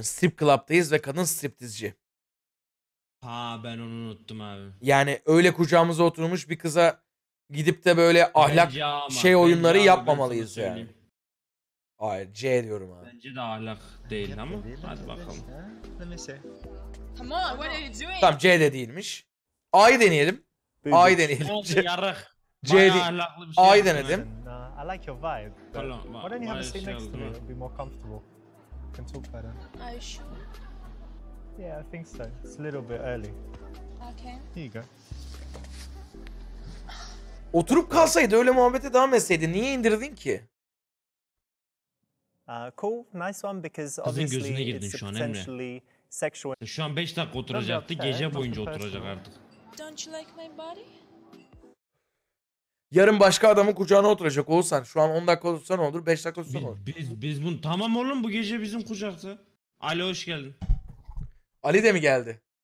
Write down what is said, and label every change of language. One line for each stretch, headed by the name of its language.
Turkish: Strip club'dayız ve kadın striptizci. Ha ben onu unuttum abi. Yani öyle kucağımıza oturmuş bir kıza gidip de böyle ahlak ama, şey oyunları abi, yapmamalıyız yani. Söyleyeyim. Hayır C diyorum abi. Bence de ahlak değil ama hadi bakalım.
English: Come on, what are you doing?
Turkish: Tamam C de değilmiş. A'yı deneyelim. A'yı deneyelim. Oldu yarık. C'yi şey denedim.
English: I like your vibe. Why don't you have a seat next to me? It'll be more comfortable. We can talk better. Are you sure? Yeah, I think so. It's a little bit early. Okay. Here you go.
Turkish: Oturup kalsaydı öyle muhabbete devam etseydi niye indirdin ki?
English: Cool, nice one because obviously it's potentially sexual.
Turkish: Şu an 5 dakika oturacaktı, gece boyunca oturacak artık.
English: Don't you like my body?
Turkish: Yarın başka adamın kucağına oturacak olsan, şu an 10 dakika olursa ne olur, 5 dakika olursa ne olur? Biz bunu, tamam oğlum bu gece bizim kucakta. Ali hoş geldin. Ali de mi geldi?